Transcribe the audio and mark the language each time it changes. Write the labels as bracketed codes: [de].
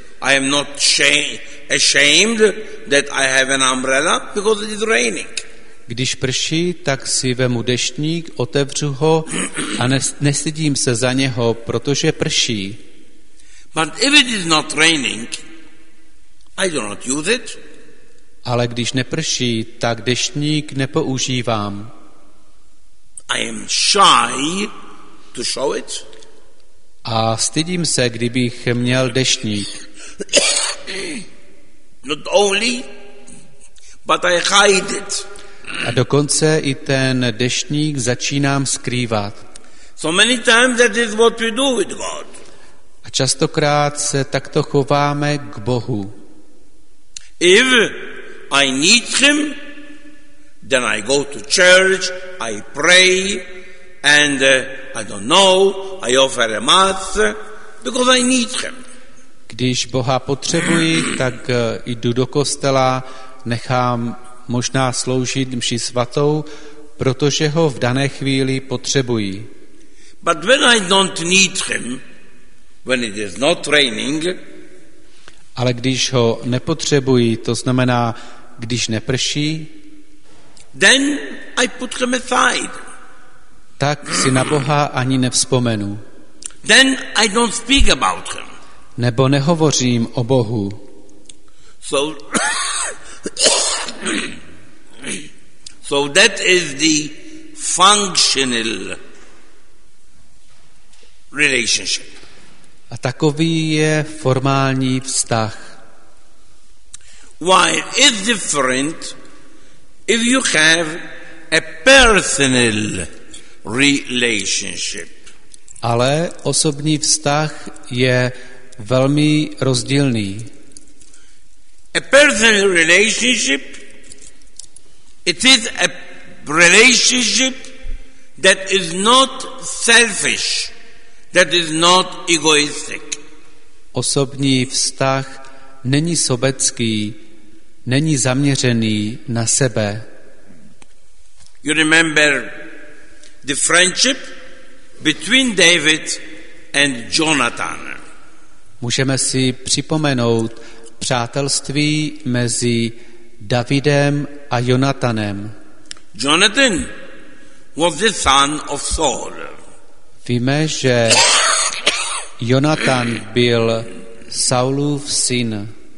[en] I am not ashamed that I have an umbrella because it is raining. [cs] Když prší, tak si vemu deštník, otevřu ho a nestydím se za něho, protože prší. [en] But if it is not raining, I do not use it. [cs] Ale když neprší, tak deštník nepoužívám. [en] I am shy to show it. [cs] A stydím se, kdybych měl deštník. [en] Not only, but I hide it. [cs] A dokonce i ten deštník začínám skrývat. [en] So many times that is what we do with God. [cs] A častokrát se takto chováme k Bohu. [en] If I need him, then I go to church, I pray, and I don't know, I offer a mass because I need him. [cs] Když Boha potřebuji, tak jdu do kostela, nechám možná sloužit mši svatou, protože ho v dané chvíli potřebují. [en] But when I don't need him, when it is not raining, [cs] ale když ho nepotřebuji, to znamená, když neprší, [en] then I put him aside. [cs] Tak si na Boha ani nevzpomenu. [en] Then I don't speak about him. [cs] Nebo nehovořím o Bohu. [en] So, so that is the functional relationship. [cs] A takový je formální vztah. [en] Why is different if you have a personal relationship? [cs] Ale osobní vztah je velmi rozdílný. [en] A personal relationship, it is a relationship that is not selfish, that is not egoistic. [cs] Osobní vztah není sobecký, není zaměřený na sebe. [en] You remember the friendship between David and Jonathan. [cs] Můžeme si připomenout přátelství mezi Davidem a Jonatanem. [en] Jonathan was the son of Saul. [cs] Víme, že Jonatan byl Saulův syn.